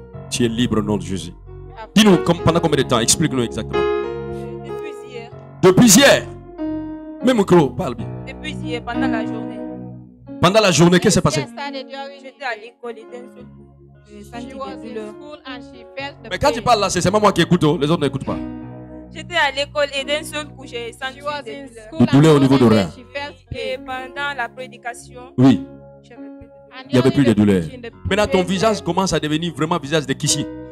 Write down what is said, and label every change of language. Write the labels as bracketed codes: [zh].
[fr] Tu es libre au nom de Jésus. Dis-nous, pendant combien de temps? Explique-nous exactement. Depuis hier. Mets mon micro, parle bien. Depuis hier, pendant la journée. Pendant la journée, qu'est-ce qui s'est passé? J'étais à l'école. [en] She was in school and she felt the pain. [fr] Mais quand tu parles là, c'est moi qui écoute, les autres n'écoutent pas. J'étais à l'école et d'un seul coup, j'ai senti de douleur au niveau de rien. Et pendant la prédication, oui. J'avais plus de Il n'y avait plus de douleur. Maintenant, ton visage commence à devenir vraiment visage de Kishi.